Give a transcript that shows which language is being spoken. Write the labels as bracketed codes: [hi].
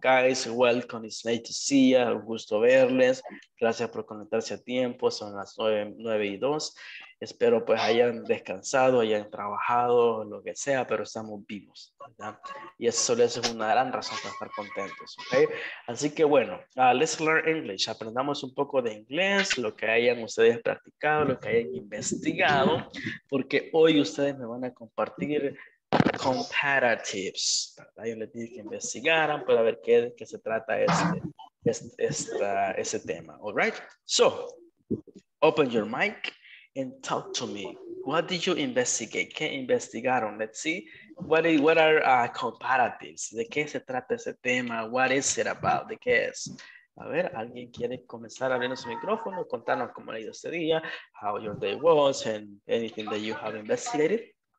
[en] Guys, welcome, it's nice to see you, [es] un gusto verles. Gracias por conectarse a tiempo, son las 9:02. Espero pues hayan descansado, hayan trabajado, lo que sea, pero estamos vivos, ¿verdad? Y eso solo es una gran razón para estar contentos, ¿ok? Así que bueno, [en] let's learn English. [es] Aprendamos un poco de inglés, lo que hayan ustedes practicado, lo que hayan investigado, porque hoy ustedes me van a compartir comparatives, ¿verdad? Yo les dije que investigaran para ver qué se trata ese tema, [en] ¿all right? So, open your mic. And talk to me. What did you investigate? [es] ¿Qué investigaron? [en] Let's see. What are comparatives? [es] ¿De qué se trata ese tema? [en] What is it about? [es] ¿De qué es? A ver, ¿alguien quiere comenzar a abrir su micrófono? Contanos cómo ha ido este día. [en] How your day was and anything that you have investigated.